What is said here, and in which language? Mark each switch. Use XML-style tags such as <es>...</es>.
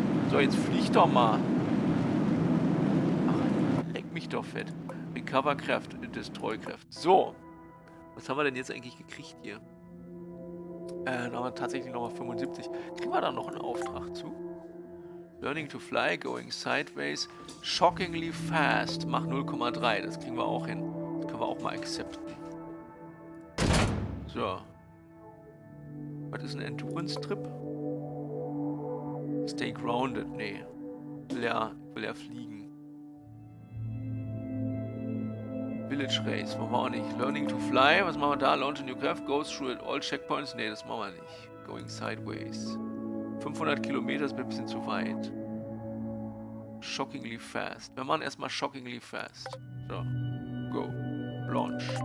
<de>So, jetzt flieg doch mal. Doch fett. Recover-Kraft, Destroy-Kraft. So. Was haben wir denn jetzt eigentlich gekriegt hier? Tatsächlich nochmal 75. Kriegen wir da noch einen Auftrag zu?</de> <en>Learning to fly, going sideways, shockingly fast.</en> <de>Mach 0,3. Das kriegen wir auch hin. Das können wir auch mal accepten. So. Was ist ein Endurance-Trip?</de> <en>Stay grounded.</en> <de>Nee. Will er fliegen. Village Race, machen wir auch nicht. Learning to fly, was machen wir da?</de> <en>Launch a new craft, goes through at all checkpoints.</en> <de>Ne, das machen wir nicht.</de> <en>Going sideways.</en> <de>500 Kilometer ist mir ein bisschen zu weit.</de> <en>Shockingly fast.</en> <de>Wir machen erstmal</de> <en>shockingly fast. So, go. Launch.</en>